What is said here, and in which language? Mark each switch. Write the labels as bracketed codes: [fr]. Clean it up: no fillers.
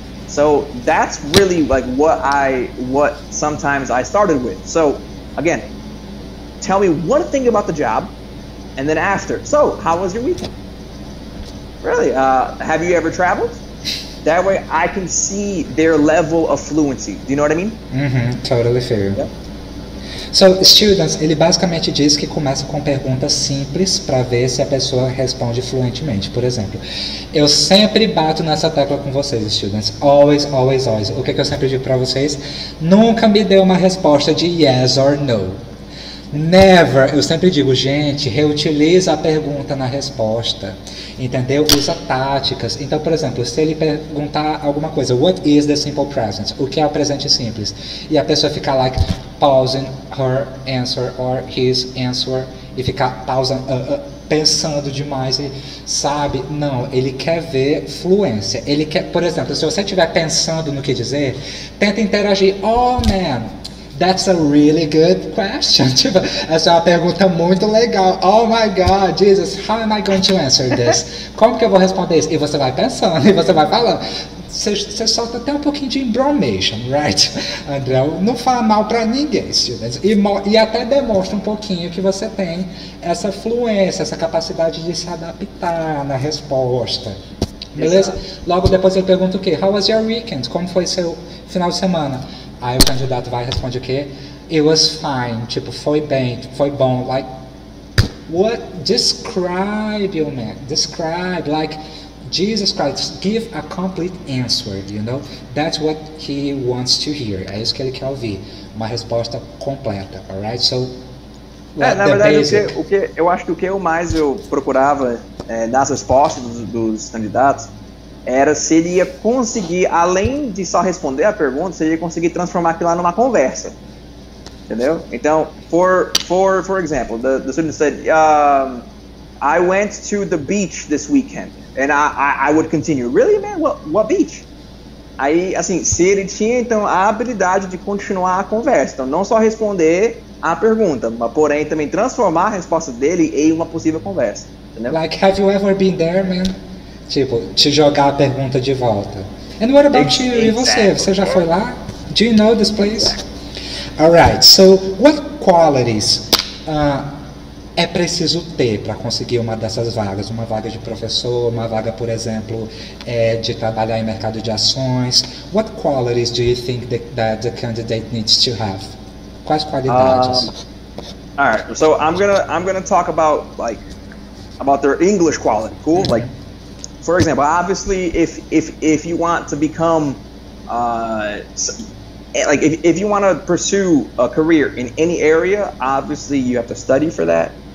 [en] So that's really like what sometimes I started with. So again, tell me one thing about the job, and then after. So how was your weekend? Really? Have you ever traveled? That way I can see their level of fluency. Do you know what I mean? Mm-hmm. Totally fair. Yep. So students, [pt] ele basicamente diz que começa com perguntas simples para ver se a pessoa responde fluentemente. Por exemplo, eu sempre bato nessa tecla com vocês, students. [en] Always, always, always. [pt] O que, que eu sempre digo para vocês? Nunca me dê uma resposta de [en] yes or no. Never. [pt] Eu sempre digo, gente, reutiliza a pergunta na resposta. Entendeu? Usa táticas. Então, por exemplo, se ele perguntar alguma coisa, [en] what is the simple present? [pt] O que é o presente simples? E a pessoa ficar [en] like pausing her answer or his answer [pt] e ficar pausando, pensando demais, sabe? Não, ele quer ver fluência. Ele quer, por exemplo, se você estiver pensando no que dizer, tenta interagir. [en] Oh, man, that's a really good question. [pt] Tipo, essa é uma pergunta muito legal. [en] Oh, my God, Jesus, how am I going to answer this? [pt] Como que eu vou responder isso? E você vai pensando, e você vai falando. Você solta até um pouquinho de embromation, right, André? Não fala mal para ninguém, students. E até demonstra um pouquinho que você tem essa fluência, essa capacidade de se adaptar na resposta. Beleza? Exato. Logo depois ele pergunta o quê? [en] How was your weekend? [pt] Como foi seu final de semana? Aí o candidato vai e responde o quê? [en] It was fine. [pt] Tipo, foi bem, foi bom. [en] Like, what? Describe, you man. Describe, like, Jesus Christ. Give a complete answer, you know? That's what he wants to hear. [pt] É isso que ele quer ouvir. Uma resposta completa, alright? So, like, é, na verdade, o que eu acho que o que eu mais eu procurava nas respostas dos candidatos era se ele ia conseguir, além de só responder a pergunta, se ele ia conseguir transformar aquilo lá numa conversa. Entendeu? [en] Então, for example, the student said, I went to the beach this weekend, and I would continue. Really, man? What beach? [pt] Aí, assim, se ele tinha, então, a habilidade de continuar a conversa. Então, não só responder a pergunta, mas, porém, também transformar a resposta dele em uma possível conversa. Entendeu? [en] Like, have you ever been there, man? [pt] Tipo, te jogar a pergunta de volta. [en] And what about you? Exactly. [pt] E você? Você já foi lá? [en] Do you know this place? Alright, so what qualities [pt] é preciso ter para conseguir uma dessas vagas? Uma vaga de professor, uma vaga, por exemplo, de trabalhar em mercado de ações. [en] What qualities do you think that the candidate needs to have? [pt] Quais qualidades? [en] Alright, so I'm gonna talk about their English quality, cool? Mm-hmm. Like, for example, obviously if you want to become like if you want to pursue a career in any area, obviously you have to study for that.